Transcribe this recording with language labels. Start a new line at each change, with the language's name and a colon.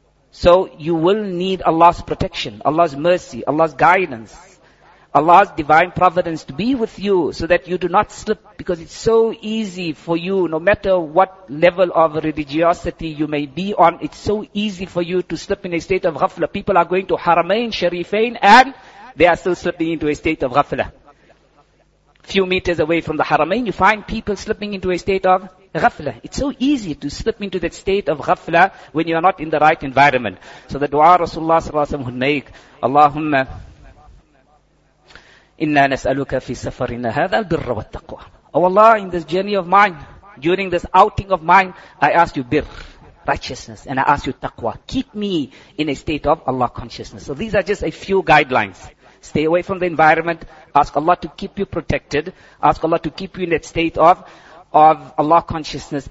English: So you will need Allah's protection, Allah's mercy, Allah's guidance, Allah's divine providence to be with you so that you do not slip, because it's so easy for you, no matter what level of religiosity you may be on, it's so easy for you to slip in a state of ghafla. People are going to Haramain, Sharifain, and they are still slipping into a state of ghafla. Few meters away from the Haramain, you find people slipping into a state of ghafla. It's so easy to slip into that state of ghafla when you are not in the right environment. So the dua Rasulullah s.a.w. would make,
Arabic: Allahumma, إِنَّا نَسْأَلُكَ فِي سَفَرِنَا هَذَا الْبِرَّ وَالتَّقْوَى.
English: Oh Allah, in this journey of mine, during this outing of mine, I ask you birr, righteousness, and I ask you taqwa. Keep me in a state of Allah consciousness. So these are just a few guidelines. Stay away from the environment. Ask Allah to keep you protected. Ask Allah to keep you in that state of Allah consciousness.